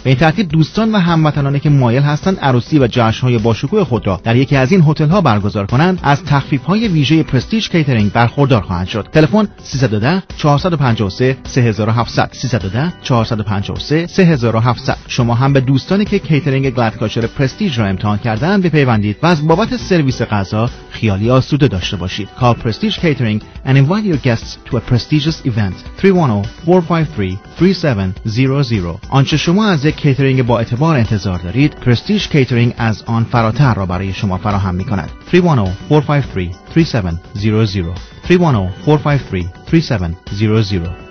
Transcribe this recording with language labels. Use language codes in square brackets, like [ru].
[fa] به ترتیب دوستان و هموطنانی که مایل هستند عروسی و جشن‌های باشکوه خود را در یکی از این هتل‌ها برگزار کنند، از تخفیف‌های ویژه پرستیج کیترینگ برخوردار خواهند شد. تلفن 310-453-3700 310-453-3700. شما هم به دوستانی که کیترینگ گلدکاشر پرستیج را امتحان کردن بپیوندید و از بابت سرویس غذا خیالی آسوده داشته باشید. [en] Call Prestige Catering and invite your guests to a prestigious event. 310-453-3700. [fa] آنچه شما از یک کیترینگ با اعتبار انتظار دارید، Prestige Catering از آن فراتر را برای شما فراهم می کند. 310-453-3700. 310-453-3700.